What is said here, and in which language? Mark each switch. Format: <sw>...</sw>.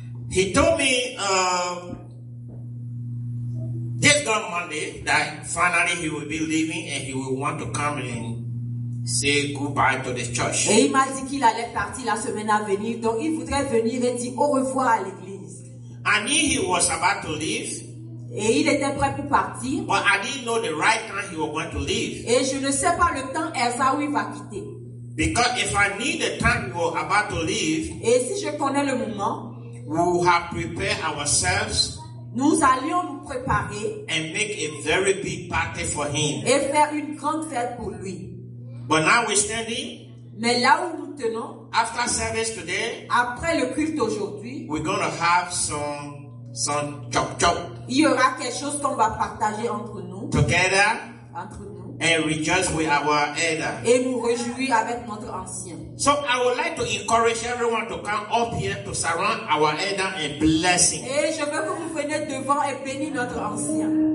<en>He told me this God Monday that finally he will be leaving and he will want to come and say goodbye to the church.</en> <fr>Et il m'a dit qu'il allait partir la semaine à venir, donc il voudrait venir et dire au revoir à l'église.</fr> <en>I knew he was about to leave.</en> <fr>Et il était prêt pour partir.</fr> <en>But I didn't know the right time he was going to leave.</en> <fr>Et je ne sais pas le temps exact où il va quitter.</fr> <en>Because if I knew the time we were about to leave,</en> <fr>et si je connais le moment,</fr> <en>we would have prepared ourselves.</en> <fr>Nous allions nous préparer</fr> <en>and make a very big party for him.</en> <fr>Et faire une grande fête pour lui.</fr> <en>But now we're standing.</en> <fr>Mais là où nous tenons,</fr> <en>after service today,</en> <fr>après le culte aujourd'hui,</fr> <en>we're going to have some chop chop.</en> <fr>Il y aura quelque chose qu'on va partager entre nous.</fr> <en>Together.</en> <fr>Entre nous.</fr> <en>And rejoice with our elder.</en> <fr>Et nous réjouir avec notre ancien.</fr> <en>So I would like to encourage everyone to come up here to surround our elder and bless him.</en> <fr>Et je veux que vous veniez devant et bénir notre ancien.</fr>